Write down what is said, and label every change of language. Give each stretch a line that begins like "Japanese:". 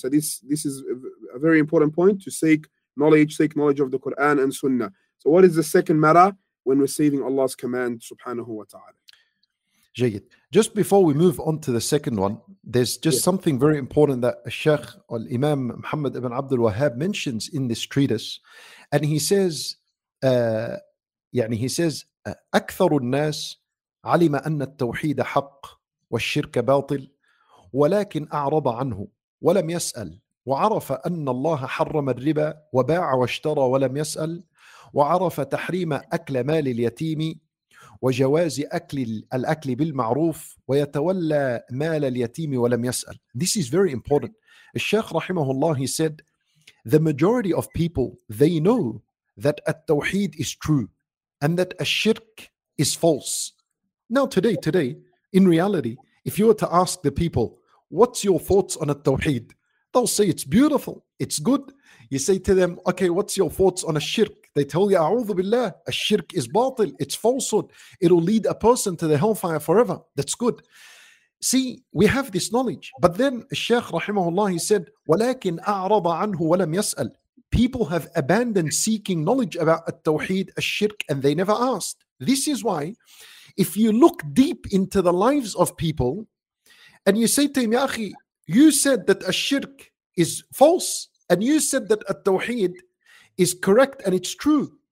English: So this is a very important point, to seek knowledge of the Quran and Sunnah. So what is the second matter when receiving Allah's command, subhanahu wa ta'ala?
Arabic: Jayid.
English: Just before we move on to the second one, there's just something very important that Sheikh al-Imam Muhammad ibn Abdul Wahhab mentions in this treatise. And he says,
Arabic: أكثر الناس علم أن التوحيد حق والشرك باطل ولكن أعرض عنه ولم يسأل وعرف أن الله حرم الربا وباع واشترى ولم يسأل وعرف تحريم أكل مال اليتيم وجواز أكل الأكل بالمعروف ويتولى مال اليتيم ولم يسأل.
English: This is very important.
Arabic: الشيخ رحمه الله,
English: he said, the majority of people, they know that التوحيد is true and that الشرك is false. Now today, in reality, if you were to ask the people, what's your thoughts on التوحيد? They'll say it's beautiful, it's good. You say to them, okay, what's your thoughts on الشرك? They tell you, A'udhu billah, الشرك is باطل, it's falsehood. It'll lead a person to the hellfire forever. That's good. See, we have this knowledge. But then
Arabic: الشيخ رحمه الله,
English: he said,
Arabic: ولكن أعرض عنه ولم يسأل.
English: People have abandoned seeking knowledge about التوحيد, الشرك, and they never asked. This is why, if you look deep into the lives of people, and you say to him, Ya akhi, you said that الشرك is false, and you said that التوحيد is correct and it's true.